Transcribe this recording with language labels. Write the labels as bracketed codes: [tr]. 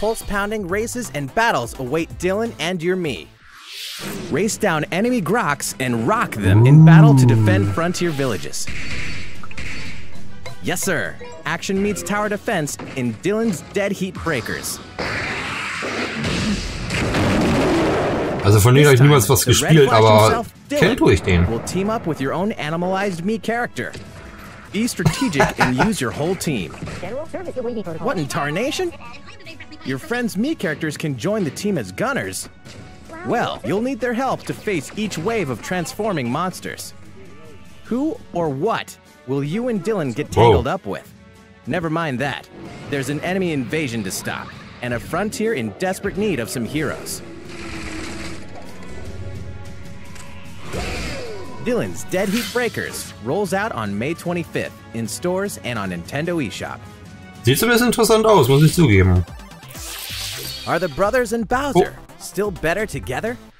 [en] Pulse-pounding races and battles await Dylan and your me. Race down enemy Groks and rock them in battle to defend frontier villages. Yes, sir. Action meets tower defense in Dylan's Dead Heat Breakers. [de] Also von denen habe ich niemals was gespielt, aber kennt tue ich den. [en] Will team up with your own animalized me character. Be strategic and use your whole team. What in tarnation? Your friends' Mii characters can join the team as gunners? Well, you'll need their help to face each wave of transforming monsters. Who or what will you and Dylan get tangled up with? Never mind that. There's an enemy invasion to stop, and a frontier in desperate need of some heroes. Dylan's Dead Heat Breakers rolls out on May 25th in stores and on Nintendo eShop. [de] Sieht ein bisschen interessant aus, muss ich zugeben. [en] Are the brothers and Bowser still better together?